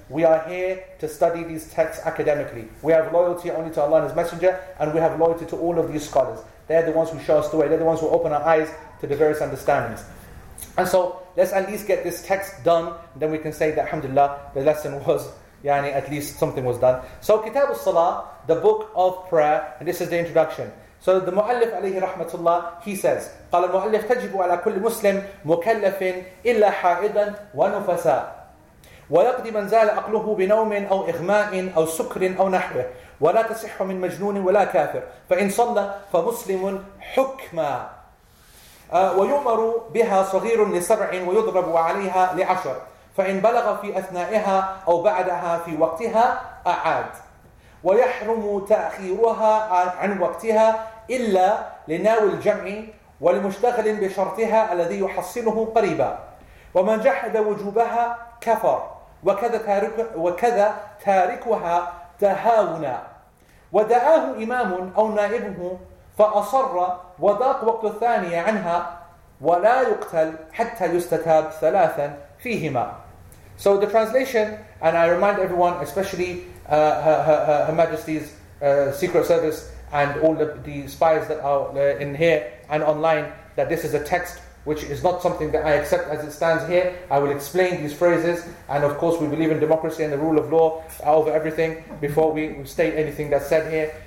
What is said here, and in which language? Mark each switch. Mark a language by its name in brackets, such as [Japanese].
[English] We are here to study these texts academically. We have loyalty only to Allah and His Messenger, and we have loyalty to all of these scholars. They're the ones who show us the way. They're the ones who open our eyes to the various understandings. And so let's at least get this text done, and then we can say that, alhamdulillah, the lesson was... Yani, at least something was done. So Kitab al-Salah, the book of prayer, and this is the introduction. So the Mu'allif alayhi rahmatullah, he says, [Arabic] قَالَ الْمُعَلِّفْ تَجِبُ عَلَى كُلِّ مُسْلِمْ مُكَلَّفٍ إِلَّا حَائِدًا وَنُفَسَى وَيَقْضِي مَنْ زَالَ أَقْلُهُ بِنَوْمٍ أَوْ إِغْمَاءٍ أَوْ سُكْرٍ أَوْ نَحْوِهِ وَلَا تَصِحُّ مِنْ مَجْنُونٍ وَلَا كَافِرٍ فَإِنْ صَلَّى فَمُسْلِمٌ حُكْمًا وَيُؤْمَرُ بِهَا صَغِيرٌ لِسَبْعٍ وَيُضْرَبُ عَلَيْهَا لِعَشْرٍ فإن بلغ في أثنائها أو بعدها في وقتها أعاد ويحرم تأخيرها عن وقتها إلا لناوي الجمع ولمشتغل بشرطها الذي يحصله قريبا ومن جحد وجوبها كفر وكذا تاركها تهاونا ودعاه إمام أو نائبه فأصر وضاق وقت الثانية عنها ولا يقتل حتى يستتاب ثلاثا فيهما. [English] So the translation, and I remind everyone, especially Her Majesty's Secret Service and all the spies that are in here and online, that this is a text which is not something that I accept as it stands here. I will explain these phrases, and of course we believe in democracy and the rule of law over everything before we state anything that's said here.